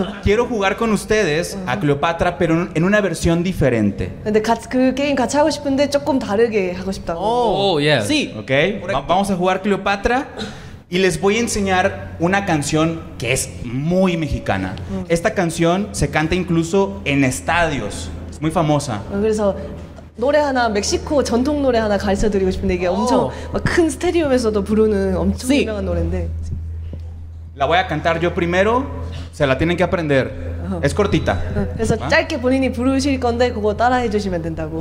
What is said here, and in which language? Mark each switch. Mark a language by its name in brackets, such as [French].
[Spanish] Quiero jugar con ustedes a Cleopatra, pero en una versión diferente. Sí. Ok. Vamos a jugar Cleopatra y les voy a enseñar una canción que es muy mexicana. Esta canción se canta incluso en estadios. Es muy famosa. [Korean] 노래 하나 멕시코 전통 노래 하나 가르쳐 드리고 싶은데 이게 엄청 막 큰 스테디움에서도 부르는 엄청 [Spanish] sí. [Korean] 유명한 노래인데. [Spanish] La voy a cantar yo primero. Se la tienen que aprender. Es cortita. [Korean] 그래서 [Spanish] ¿va? [Korean] 짧게 본인이 부르실 건데 그거 따라해 주시면 된다고.